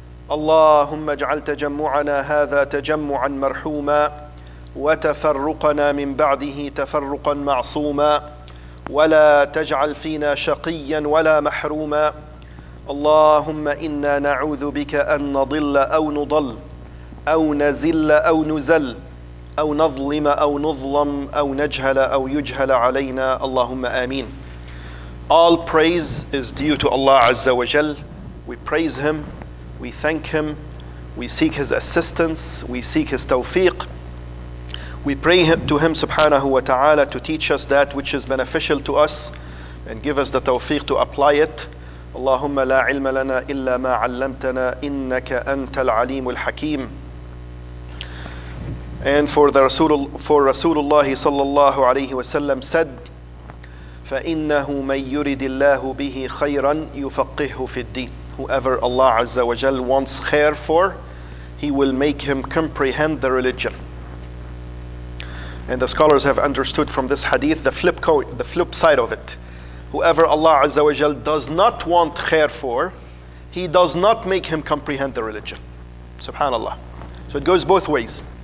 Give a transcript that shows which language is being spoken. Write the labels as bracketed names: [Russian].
[Arabic] اللهم اجعل تجمعنا هذا تجمعا مرحوما، وتفرقنا من بعده تفرقا معصوما، ولا تجعل فينا شقيا ولا محروما. اللهم إنا نعوذ بك أن نضل أو نضل، أو نزل أو نزل، أو نظلم أو نظلم، أو نجهل أو يجهل علينا. اللهم آمين. [English] All praise is due to Allah Azza wa Jal. We praise Him, we thank Him, we seek His assistance, we seek His tawfiq. We pray to Him subhanahu wa ta'ala to teach us that which is beneficial to us and give us the tawfiq to apply it. [Arabic] اللهم لا علم لنا إلا ما علمتنا إنك أنت العليم الحكيم. [English] And for Rasulullah sallallahu alayhi wa sallam said, [Arabic] فَإِنَّهُ مَنْ يُرِدِ اللَّهُ بِهِ خَيْرًا يُفَقِّهُ فِي الدِّينِ. [English] Whoever Allah Azza wa Jal wants khair for, He will make him comprehend the religion. And the scholars have understood from this hadith the flip side of it. Whoever Allah Azza wa Jal does not want khair for, He does not make him comprehend the religion. Subhanallah. So it goes both ways.